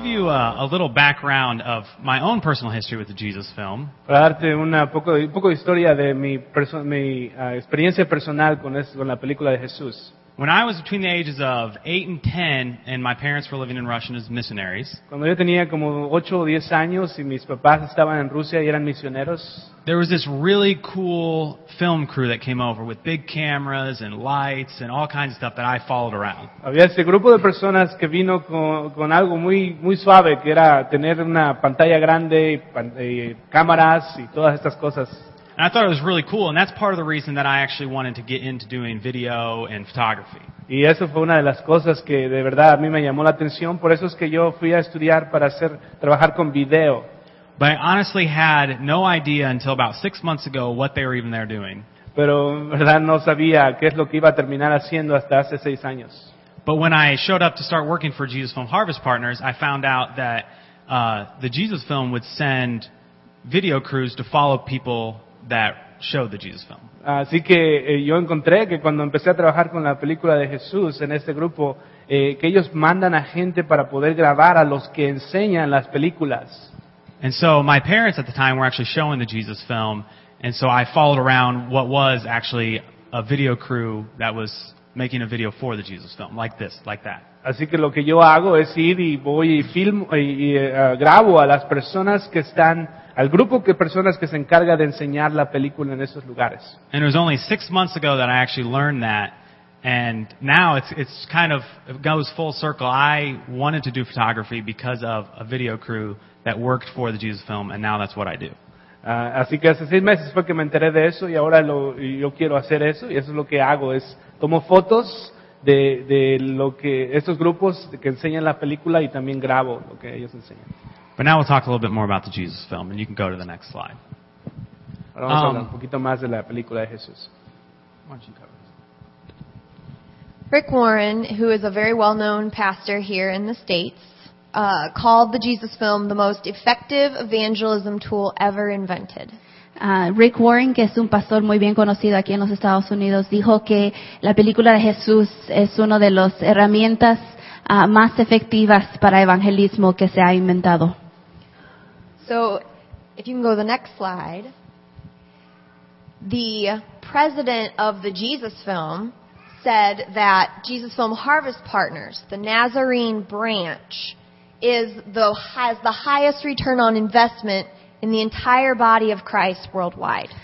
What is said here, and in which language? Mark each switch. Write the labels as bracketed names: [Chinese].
[English] A little background of my own personal history with the Jesus film. [Spanish] Para darte un poco de historia de mi experiencia personal con la película de Jesús. [English] When I was between the ages of 8 and 10 and my parents were living in Russia as missionaries. [Spanish] Cuando yo tenía como 8 o 10 años y mis papás estaban en Rusia y eran misioneros. [English] There was this really cool film crew that came over with big cameras and lights and all kinds of stuff that I followed around. [Spanish] Había este grupo de personas que vino con algo muy muy suave, que era tener una pantalla grande y cámaras y todas estas cosas. [English] And I thought it was really cool, and that's part of the reason that I actually wanted to get into doing video and photography. [Spanish] Y eso fue una de las cosas que de verdad a mí me llamó la atención, por eso es que yo fui a estudiar para hacer trabajar con video. [English] But I honestly had no idea until about 6 months ago what they were even there doing. [Spanish] Pero en verdad no sabía qué es lo que iba a terminar haciendo hasta hace 6 años. [English] But when I showed up to start working for Jesus Film Harvest Partners, I found out that the Jesus Film would send video crews to follow people that showed the Jesus Film. [Spanish] Así que yo encontré que cuando empecé a trabajar con la película de Jesús en este grupo, que ellos mandan a gente para poder grabar a los que enseñan las películas. [English] And so my parents at the time were actually showing the Jesus film, and so I followed around what was actually a video crew that was making a video for the Jesus film, like this, like that. [Spanish] Así que lo que yo hago es ir y voy y grabo a las personas que están, al grupo de personas que se encarga de enseñar la película en esos lugares. [English] And it was only 6 months ago that I actually learned that. And now it's kind of, it goes full circle. I wanted to do photography because of a video crew that worked for the Jesus film, and now that's what I do. [Spanish] Así que hace 6 meses fue que me enteré de eso, y ahora yo quiero hacer eso, y eso es lo que hago, es tomo fotos de lo que estos grupos que enseñan la película, y también grabo lo que ellos enseñan. [English] But now we'll talk a little bit more about the Jesus film, and you can go to the next slide. [Spanish] Ahora vamos a hablar un poquito más de la película de Jesús. [English] Rick Warren, who is a very well-known pastor here in the States, called the Jesus film the most effective evangelism tool ever invented. [Spanish] Rick Warren, que es un pastor muy bien conocido aquí en los Estados Unidos, dijo que la película de Jesús es una de las herramientas más efectivas para evangelismo que se ha inventado. [English] So, if you can go to the next slide. The president of the Jesus film said that Jesus Film Harvest Partners, the Nazarene branch, has the highest return on investment in the entire body of Christ worldwide.